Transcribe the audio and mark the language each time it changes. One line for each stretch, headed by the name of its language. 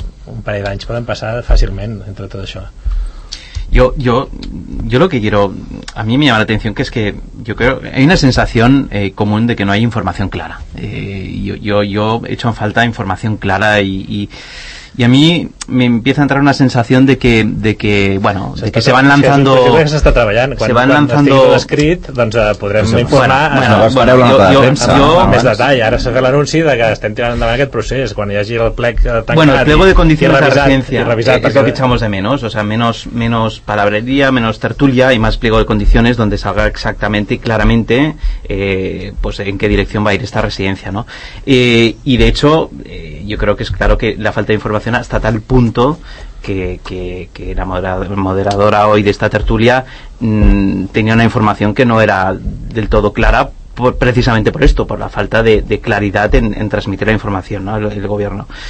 Catalan: Un parell d'anys poden passar fàcilment entre tot això.
Spanish: Yo lo que quiero, a mí me llama la atención, que es que yo creo hay una sensación común de que no hay información clara. Yo he hecho en falta información clara y a mí me empieza a entrar una sensación de que se van lanzando, que se está
Catalan: treballant,
Spanish: se van lanzando
Catalan: escrit, doncs podrem informar. Bueno, més detall, ara s'ha fet l'anunci de que estem tirant endavant aquest procés quan hi hagi el plec tancat.
Spanish: Bueno, el plego de condicions de residència, és el que echamos de menos, o sea, menos palabrería, menos tertulia y más pliego de condiciones donde salga exactamente y claramente pues en qué dirección va a ir esta residencia, ¿no? Y de hecho, yo creo que es claro que la falta de información hasta tal punto que la moderadora hoy de esta tertulia tenía una información que no era del todo clara precisamente por esto, por la falta de claridad en transmitir la información, ¿no? El gobierno.